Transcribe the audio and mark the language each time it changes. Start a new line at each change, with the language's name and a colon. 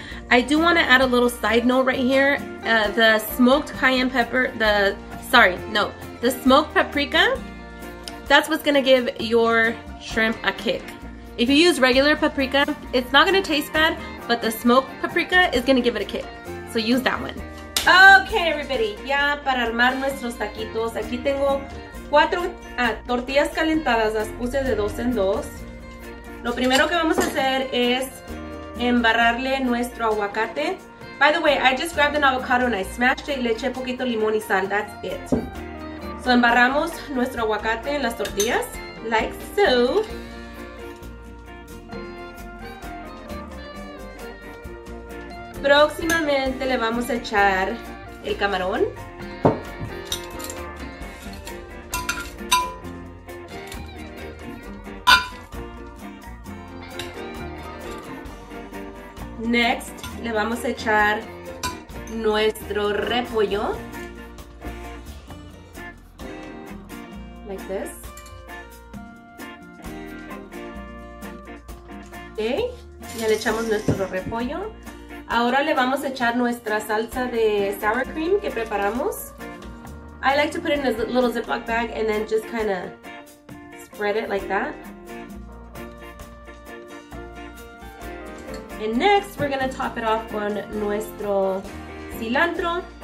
English: I do wanna add a little side note right here. The smoked paprika, that's what's gonna give your shrimp a kick. If you use regular paprika, it's not gonna taste bad, but the smoked paprika is gonna give it a kick. So use that one. Okay, everybody,
Spanish: ya para armar nuestros taquitos, aquí tengo cuatro tortillas calentadas, las puse de dos en dos. Lo primero que vamos a hacer es embarrarle nuestro aguacate.
English: By the way, I just grabbed an avocado and I smashed it,
Spanish: y le eché poquito limón y sal,
English: that's it.
Spanish: So embarramos nuestro aguacate en las tortillas,
English: like so.
Spanish: Próximamente le vamos a echar el camarón. Next, le vamos a echar nuestro repollo.
English: Like this.
Spanish: Okay, ya le echamos nuestro repollo. Ahora le vamos a echar nuestra salsa de sour cream que preparamos.
English: I like to put it in a little Ziploc bag and then just kind of spread it like that. And next, we're going to top it off
Spanish: con nuestro cilantro.